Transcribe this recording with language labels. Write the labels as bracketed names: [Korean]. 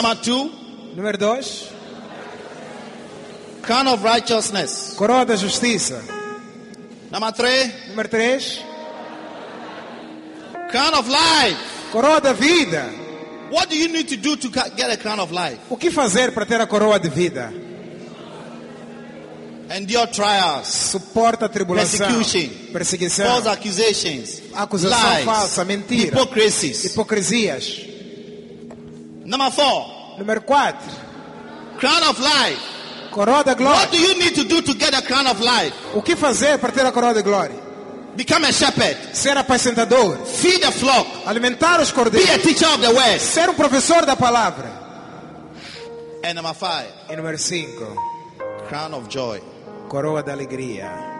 [English] Number two. [Portuguese] Número dois. [English] Crown of righteousness. [Portuguese] Coroa da justiça. [English] Number three. [Portuguese] Número três. [English] Crown of life. [Portuguese] Coroa da vida. [English] What do you need to do to get a crown of life? [Portuguese] O que fazer para ter a coroa de vida? [English] Endure trials. [Portuguese] Suporta a tribulação. [English] Persecution. [Portuguese] Perseguição. [English] False accusations. [Portuguese] Acusação [English] lies, [Portuguese] falsa, mentira. [English] Hypocrisies. [Portuguese] Hipocrisias. [English] Number four. [Portuguese] Número 4. [English] Crown of life. [Portuguese] Coroa da glória. [English] What do you need to do to get a crown of life? [Portuguese] O que fazer para ter a coroa da glória? [English] Become a shepherd. [Portuguese] Ser apacentador. [English] Feed the flock. [Portuguese] Alimentar os cordeiros. [English] Be a teacher of the word. [Portuguese] Ser professor da palavra. [English] And number 5. [Portuguese] E número 5. [English] Crown of joy. [Portuguese] Coroa da alegria.